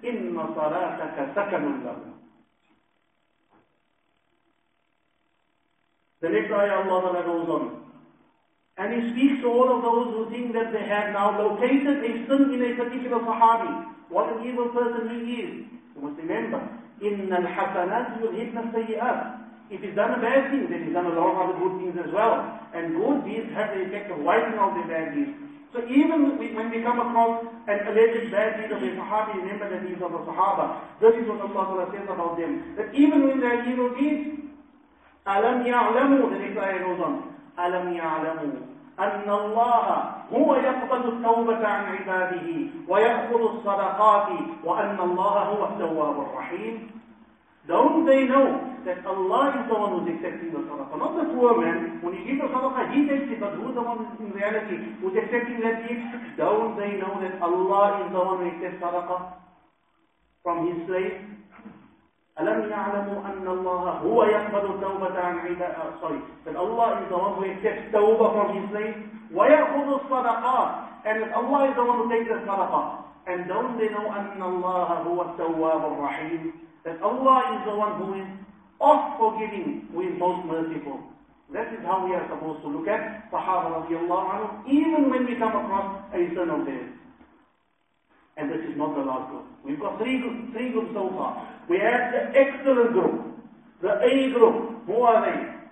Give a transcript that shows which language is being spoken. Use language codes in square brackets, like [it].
[ar] إِنَّ صَلَاتَكَ سَكَنٌ لَهُمْ. [en] The next ayah Allah Ta'ala goes on. And he speaks to all of those who think that they have now located a sin in a particular sahabi. What an evil person he is. You must remember, [ar] إِنَّ الْحَسَنَاتِ يُذْهِبْنَ السَّيِّئَاتِ. [en] If he's done a bad thing, then he's done a lot of other good things as well. And good deeds have the effect of wiping out the bad deeds. So even when we come across an alleged bad deed of a Sahabi, remember that these are the Sahaba. This is what Allah Ta'ala says about them. That even when they are evil deeds, [ar] أَلَمْ يَعْلَمُوا. [en] The next ayah goes on. [ar] أَلَمْ يَعْلَمُوا أَنَّ اللَّهَ هُوَ يَقْبَلُ التَّوْبَةَ عَنْ عِبَادِهِ وَيَأْخُذُ الصَّدَقَاتِ وَأَنَّ اللَّهَ هُوَ التَّوَّابُ الرَّحِيمُ. [en] Don't they know that Allah is the one who is accepting the sadaqah? Not the poor man. When he gives the sadaqah, he takes it. But who is the one in reality who is accepting that gift? Don't they know that Allah is the one who accepts sadaqah from his slave? [ar] أَلَمْ يَعْلَمُوا أَنَّ اللَّهَ هُوَ يَقْبَلُ التَّوْبَةَ عَنْ عِبَادِهِ. [en] Sorry. That Allah is the one who accepts tawbah from his slave. [ar] وَيَأْخُذُ الصَّدَقَاتِ. [en] And that Allah is the one who takes the sadaqah. And don't they know [ar] أَنَّ اللَّهَ هُوَ التَّوَّابُ الرَّحِيمُ. [en] That Allah is the one who is of forgiving, who is most merciful. That is how we are supposed to look at Sahaba radiallahu anhu, even when we come across a sin of theirs. And this is not the last group. We've got three groups so far. We have the excellent group, the A group. Who are they?